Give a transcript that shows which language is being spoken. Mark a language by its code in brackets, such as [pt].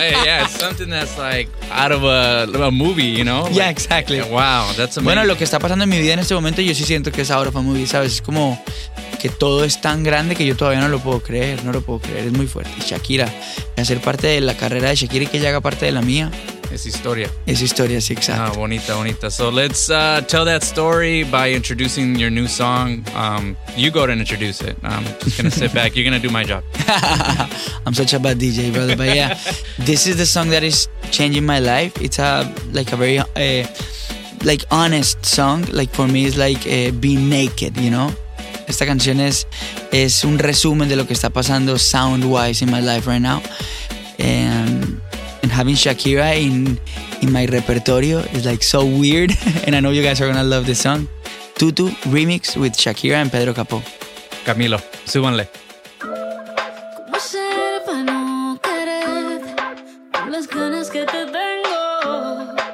[en] Hey, yeah, something that's like out of a movie, you know? Yeah, like, exactly. Wow, that's amazing. [es] Bueno, lo que está pasando en mi vida en este momento, yo sí siento que es [en] out of a movie, [es] ¿sabes? Es como que todo es tan grande que yo todavía no lo puedo creer, no lo puedo creer, es muy fuerte. Shakira, hacer parte de la carrera de Shakira y que ella haga parte de la mía. Es historia. Es historia, sí, exacto. Ah, bonita, bonita. [en] So let's tell that story by introducing your new song. You go ahead and introduce it. I'm just going to sit back. You're going to do my job. I'm such a bad DJ, brother. But yeah, this is the song that is changing my life. It's a very honest song. Like for me, it's like being naked, you know? [es] Esta canción es un resumen de lo que está pasando [en] sound-wise in my life right now. And having Shakira in my repertorio is like so weird. And I know you guys are going to love this song. Tutu remix with Shakira and Pedro Capó. [es] Camilo, súbanle. ¿Cómo ser pa' no querer con las ganas que te tengo?